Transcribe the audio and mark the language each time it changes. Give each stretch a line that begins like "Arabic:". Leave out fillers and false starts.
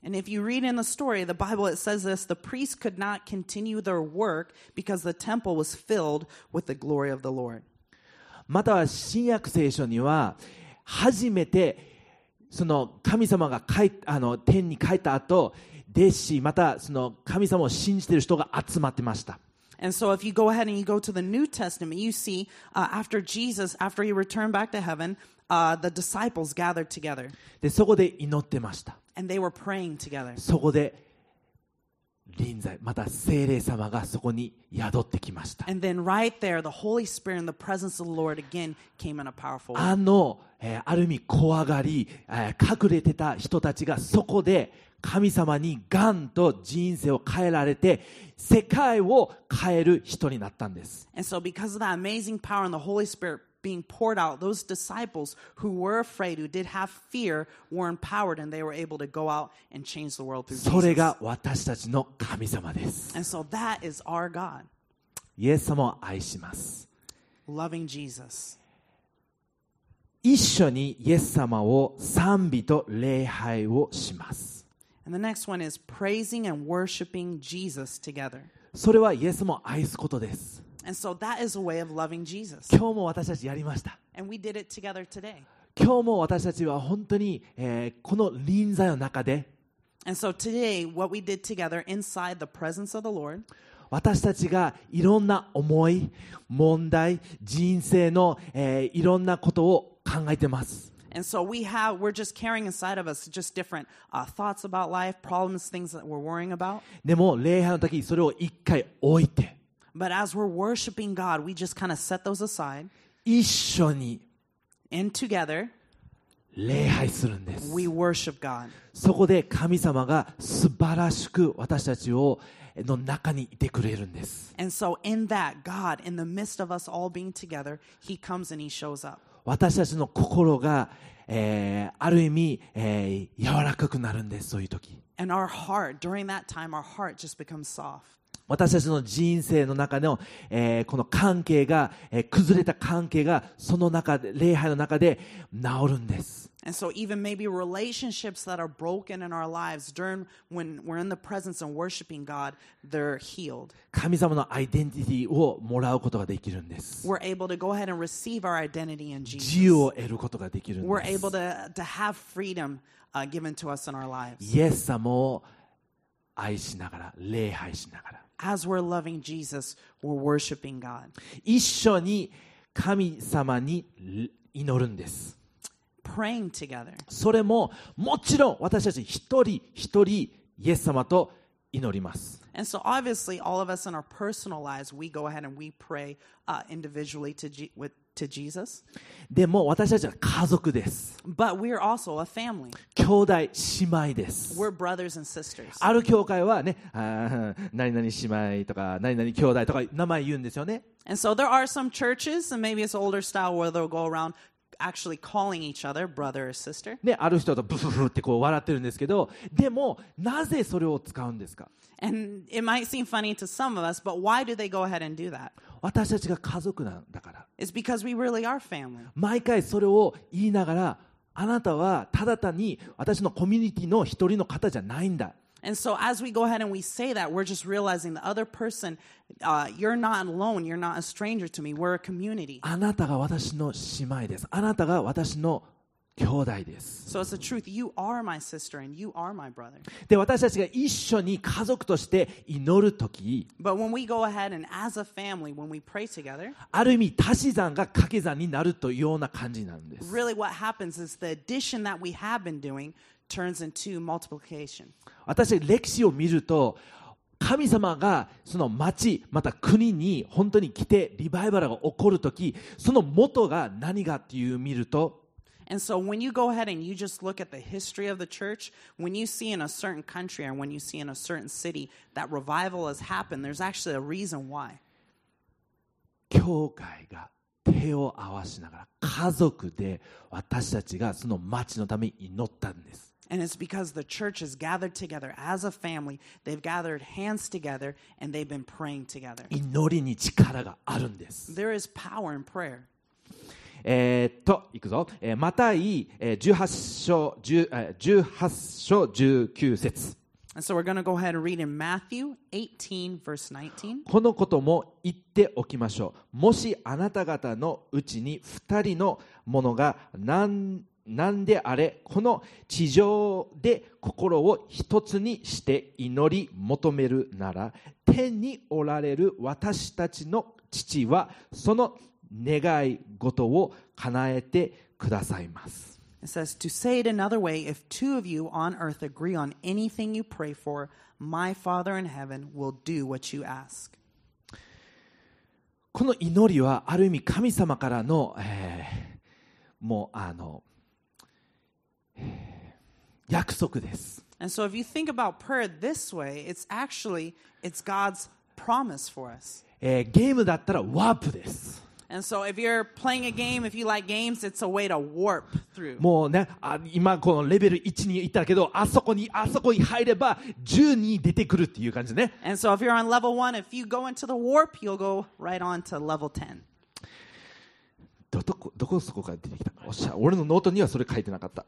English: And if you read in the story, the Bible, it says this, the priests could not continue their work because the temple was filled with the glory of the Lord.
Japanese: または新約聖書には、初めてその神様が帰あの天に帰った後弟子またその神様を信じている人が集まってました。
English: And so if you go ahead and you go to the New Testament, you see, after Jesus, after he returned back to heaven, the disciples gathered together.
Japanese: でそこで祈ってました。
English: And they were praying together.
Japanese: そこで臨在また聖霊様がそこに宿ってきました。
English: And then right there, the Holy Spirit and the presence of the Lord again came in a powerful way.
Japanese: あのある意味怖がり、隠れてた人たちがそこで神様にガンと人生を変えられて世界を変える人になったんです。
English: And so because of that amazing power and the Holy Spirit being poured out, those disciples who were afraid, who did have fear, were empowered and they were able to go out and change the world through Jesus.
Japanese: それが私たちの神様です。
English: And so that is our God.
Japanese: イエス様を愛します。
English: Loving Jesus.
Japanese: 一緒にイエス様を賛美と礼拝をします。
English: And the next one is praising and worshiping Jesus together.
Japanese: それはイエス様を愛すことです。
English: And so that is a way of loving Jesus.
Japanese: 今日も私たちやりました。
English: And we did it together today.
Japanese: 今日も私たちは本当に、この臨在の中で、
English: And so today what we did together inside the presence of the Lord.
Japanese: 私たちがいろんな思い、問題、人生の、いろんなことを考えてます。
English: And so we have, we're just carrying inside of us just different, thoughts about life, problems, things that we're worrying about.
Japanese: でも礼拝の時それを一回置いて。
English: But as we're worshiping God, we just kind of set those aside.
Japanese: 一緒に。
English: And together.
Japanese: 礼拝するんです。
English: We worship God.
Japanese: そこで神様が素晴らしく私たちをの中にいてくれるんです。
English: And so in that God, in the midst of us all being together, He comes and He shows up.
Japanese: 私たちの心が、ある意味、柔らかくなるんです、そういう時。
English: And our heart, during that time, our heart just becomes soft.
Japanese: 私たちの人生の中の、この関係が、崩れた関係がその中で礼拝の中で治るんです。
English: And so even maybe relationships that are broken in our lives during when we're in the presence and worshiping God, they're healed.
Japanese: 神様のアイデンティティをもらうことができるんです。
English: We're able to go ahead and receive our identity in Jesus.
Japanese: 自由を得ることができるんです。
English: We're able to have freedom given to us in our lives.
Japanese: イエス様を愛しながら礼拝しながら。
English: As we're loving Jesus, we're worshiping God.
Japanese: 一緒に神様に祈るんです。
English: Praying together.
Japanese: それももちろん私たち一人一人イエス様と祈ります。
English: And so obviously all of us in our personal lives, we go ahead and we pray individually to Jesus.
Japanese: でも私たちは家族です。
English: But we're also a family.
Japanese: 兄弟姉妹です。
English: We're brothers and sisters.
Japanese: ある教会はね、何々姉妹とか何々兄弟とか名前言うんですよね。
English: And so there are some churches, and maybe it's older style where they'll go around actually calling each other brother or sister.
Japanese: ね、ある人とブフフってこう笑ってるんですけど、でもなぜそれを使うんですか？
English: And it might seem funny to some of us, but why do they go ahead and do that?
Japanese: 私たちが家族なんだから。
English: It's because we really are family.
Japanese: 毎回それを言いながら、あなたはただ単に私のコミュニティの一人の方じゃないんだ。
English: And so as we go ahead and we say that, we're just realizing the other person, you're not alone, you're not a stranger to me, we're a community.
Japanese: あなたが私の姉妹です。あなたが私の兄弟です。
English: So it's the truth, you are my sister and you are my brother.
Japanese: で、私たちが一緒に家族として祈るとき、
English: But when we go ahead and as a family, when we pray together,
Japanese: ある意味足し算が掛け算になるというような感じなんです。
English: Really what happens is the addition that we have been doing turns into multiplication.
Japanese: 私歴史を見ると、神様がその町また国に本当に来てリバイバルが起こるとき、その元が何かっていう見ると、
English: And so when you go ahead and you just look at the history of the church, when you see in a certain country or when you see in a certain city that revival has happened, there's actually a reason why.
Japanese: 教会が手を合わしながら家族で私たちがその町のために祈ったんです。
English: And it's because the church has gathered together as a family. They've gathered hands together and they've been praying together.
Japanese: 祈りに力があるんです。
English: There is power in prayer.
Japanese: 行くぞ。マタイ18章19節。
English: And so we're going to go ahead and read in Matthew 18, verse 19.
Japanese: このことも言っておきましょう。もしあなた方のうちに2人の者が何であれ、この地上で心を一つにして祈り求めるなら、天におられる私たちの父はその願い事を叶えてくださいます。
English: It says, to say it another way, if two of you on earth agree on anything you pray for, my Father in heaven will do what you ask.
Japanese: この祈りはある意味神様からの、もうあの、約束です。
English: And so if you think about prayer this way, it's actually, it's God's promise for us.
Japanese: ゲームだったらワープです。
English: And so if you're playing a game, if you like games, it's a way to warp through.
Japanese: もうね、今このレベル1に行ったけど、あそこに入れば10に出てくるっていう感じね。
English: And so if you're on level 1, if you go into the warp, you'll go right on to level 10.
Japanese: どこそこから出てきたの？おっしゃ、俺のノートにはそれ書いてなかった。